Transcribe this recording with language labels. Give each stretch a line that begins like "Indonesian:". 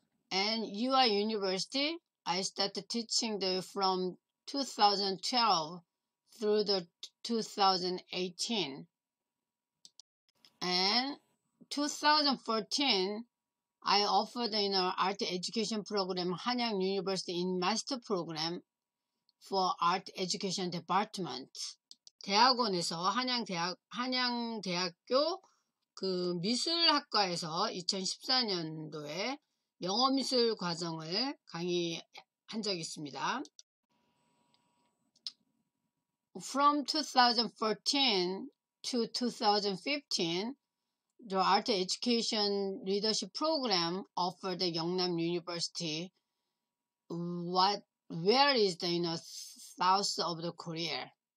English: And UI University, I started teaching the from 2012 through the 2018. And 2014, I offered the, you know, art education program Hanyang University in master program for art education department.
Korean: 대학원에서 한양대학 한양대학교 그 미술학과에서 2014년도에 영어미술 과정을 강의한 적이 있습니다.
English: From 2014 to 2015, the Art Education Leadership Program offered the Yongnam University. Where is the, you know, south of the Korea?